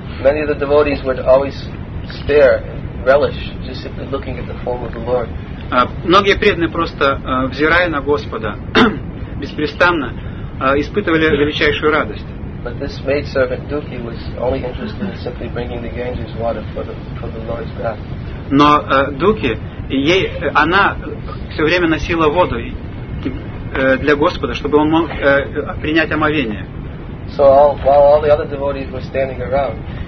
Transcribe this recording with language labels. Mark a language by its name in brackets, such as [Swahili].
[English] Many of the devotees would always stare and relish just simply looking at the form of the Lord. [Russian] Многие преданные просто взирая на Господа беспрестанно испытывали величайшую радость. [English] But this maidservant Duki was only interested in simply bringing the Ganges water for the Lord's bath. [Russian] Но Дуки, ей она все время носила воду для Господа, чтобы он мог принять омовение. [English] So while all the other devotees were standing around.